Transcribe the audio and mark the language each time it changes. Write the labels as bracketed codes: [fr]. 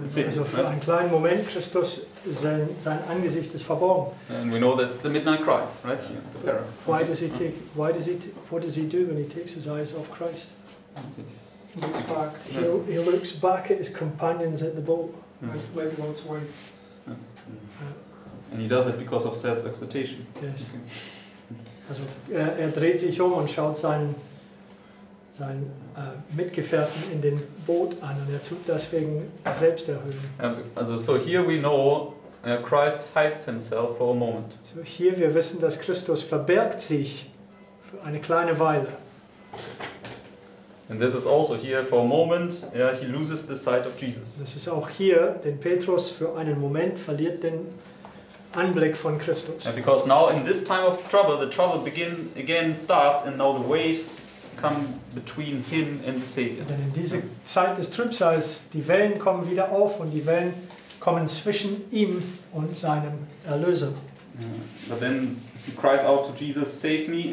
[de] Also [en] for a [de] kleinen Moment, Christus sein Angesicht ist verborgen. [en] And we know that's the midnight cry, right? Yeah. The parable. Why does he take? Why does he? What does he do when he takes his eyes off Christ? He looks back. Yes. He looks back at his companions at the boat. Yes. As the boat's way. And he does it because of self-exaltation. Yes. Okay. [de] Also er dreht sich um und schaut seinen Mitgefährten in den Boot an und er tut das wegen Selbsterhöhung. [en] Also so here we know Christ hides himself for a moment. [de] So hier wir wissen, dass Christus verbirgt sich für eine kleine Weile. [en] And this is also here for a moment, yeah, he loses the sight of Jesus. [de] Das ist auch hier, denn Petrus für einen Moment verliert den Anblick von Christus. [en] Yeah, because now in this time of trouble, the trouble begin again starts, and now the waves come between him and the Savior. [de] Denn in diese Zeit des Trübsals, die Wellen kommen wieder auf und die Wellen kommen zwischen ihm und seinem Erlöser. [en] Yeah. But then he cries out to Jesus, "Save me!"